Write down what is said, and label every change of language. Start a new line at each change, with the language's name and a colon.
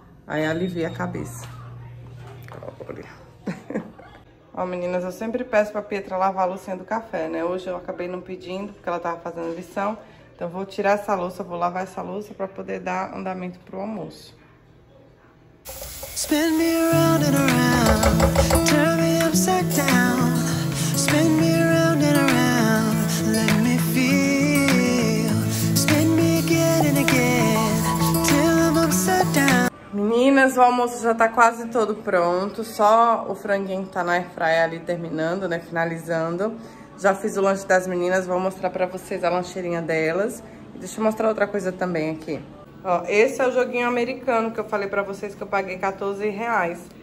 Portuguese: Aí alivia a cabeça. Glória. Ó, meninas, eu sempre peço pra Pietra lavar a loucinha do café, né? Hoje eu acabei não pedindo, porque ela tava fazendo lição. Então eu vou tirar essa louça, vou lavar essa louça pra poder dar andamento pro almoço.
English: Spin me around and around, turn me upside down. Spin me around and around, let me feel. Spin me again and again, till I'm upside down.
Portuguese: Meninas, o almoço já tá quase todo pronto, só o franguinho que tá na airfryer ali terminando, né, finalizando. Já fiz o lanche das meninas, vou mostrar pra vocês a lancheirinha delas. Deixa eu mostrar outra coisa também aqui. Ó, esse é o joguinho americano que eu falei pra vocês que eu paguei R$14.